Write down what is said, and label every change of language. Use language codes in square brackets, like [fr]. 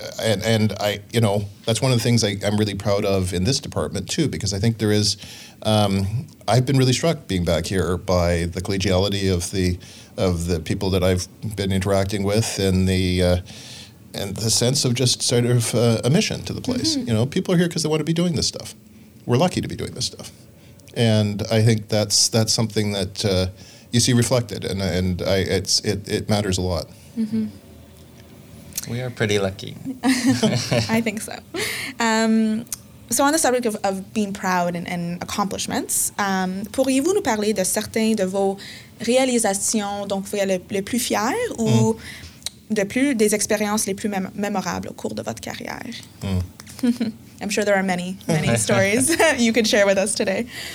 [en] So that's one of the things I'm really proud of in this department too, because I think there is, I've been really struck being back here by the collegiality of the people that I've been interacting with and the sense of just sort of a mission to the place. Mm-hmm. You know, people are here because they want to be doing this stuff. We're lucky to be doing this stuff. And I think that's something that you see reflected, and it matters a lot. Mm-hmm. We are pretty lucky. I think so. So on the subject of being proud and accomplishments, [fr] pourriez-vous nous parler de certains de vos réalisations, donc vous êtes le plus fier ou des expériences les plus mémorables au cours de votre carrière? Mm. [en] I'm sure there are many, many stories you could share with us today.